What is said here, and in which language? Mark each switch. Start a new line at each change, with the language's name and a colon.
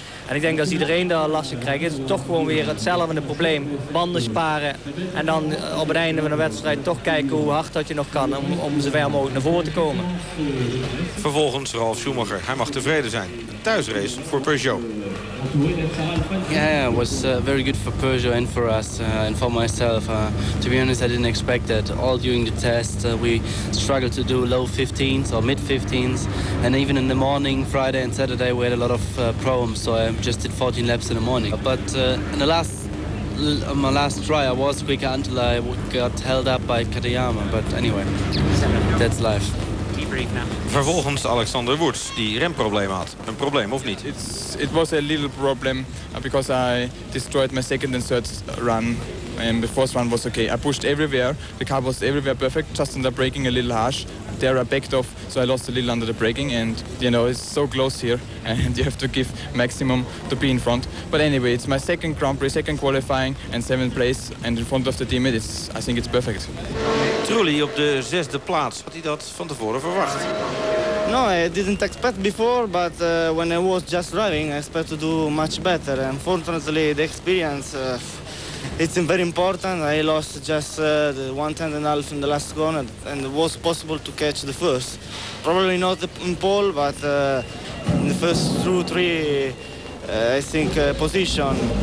Dutch: En ik denk dat als iedereen daar last van krijgt, is het toch gewoon weer hetzelfde probleem. Banden sparen en dan op het einde van de wedstrijd toch kijken hoe hard dat je nog kan om zo ver mogelijk naar voren te komen. Vervolgens Ralf Schumacher. Hij mag tevreden zijn. Een thuisrace voor Peugeot.
English: Yeah, it was very good for Peugeot and for us and for myself. To be honest, I didn't expect that. All during the test, we struggled to do low 15s or mid 15s. And even in the morning, Friday and Saturday, we had a lot of problems. So I just did 14 laps in the morning. But in the last, my last try, I was quicker until I got held up by Katayama. But anyway, that's life.
Dutch: Vervolgens Alexander Woods, die remproblemen had. Een probleem of niet?
English: It was a little problem because I destroyed my second and third run. And the first run was okay. I pushed everywhere. The car was everywhere perfect, just under braking a little harsh. There I backed off, so I lost a little under the braking. And you know, it's so close here and you have to give maximum to be in front. But anyway, it's my second Grand Prix, second qualifying and seventh place. And in front of the team, it's, I think it's perfect.
Dutch: Trulli op de zesde plaats. Had hij dat van tevoren verwacht?
English: No, I didn't expect before, but when I was just driving, I expect to do much better. Unfortunately, the experience, it's very important. I lost just the 1.5 in the last corner, and it was possible to catch the first. Probably not in pole, but in the first 2-3, I think position.